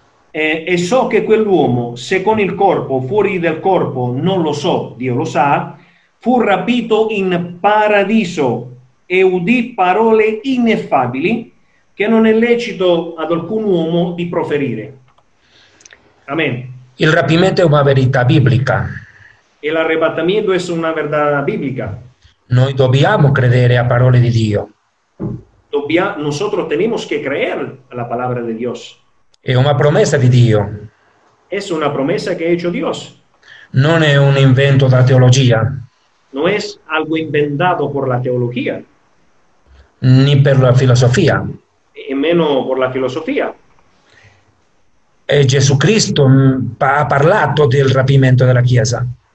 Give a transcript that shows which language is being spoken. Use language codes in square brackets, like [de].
[it] E so che quell'uomo, se con il corpo, fuori del corpo, non lo so, Dio lo sa, fu rapito in paradiso e udì parole ineffabili che non è lecito ad alcun uomo di proferire. Amen. Il rapimento è una verità biblica. E l'arrebattamento è una verità biblica. Noi dobbiamo credere a parole di Dio. [es] Nosotros tenemos que creer a la palabra de Dios. [it] È una promessa di Dio. È una promessa che ha fatto Dio. Non è un invento da teologia. Non è algo inventato per la teologia. Ni per la filosofia. E meno per la filosofia. E Gesù Cristo ha parlato del rapimento della Chiesa.